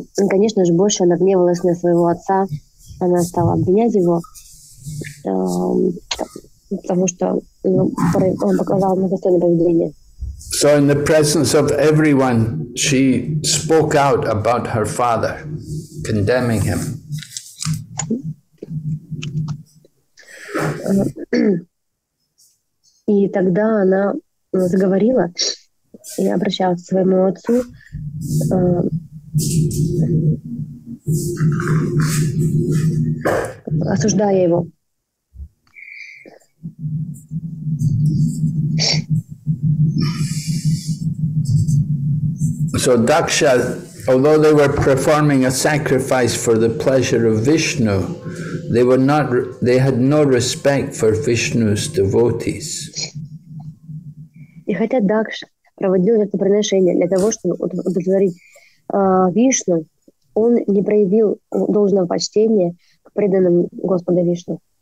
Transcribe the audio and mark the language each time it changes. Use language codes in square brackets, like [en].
[ru] Конечно же, больше она гневалась на своего отца. Она стала обвинять его, потому что он показал недостойное поведение. [en] So in the presence of everyone, she spoke out about her father, condemning him. [ru] И тогда она заговорила и обращалась к своему отцу. Осуждая его. [en] So Daksha, although they were performing a sacrifice for the pleasure of Vishnu, they were not, they had no respect for Vishnu's devotees. [ru] И хотя Дакша проводил это приношение для того, чтобы удовлетворить Вишну, он не проявил должного почтения к преданным Господа Вишну.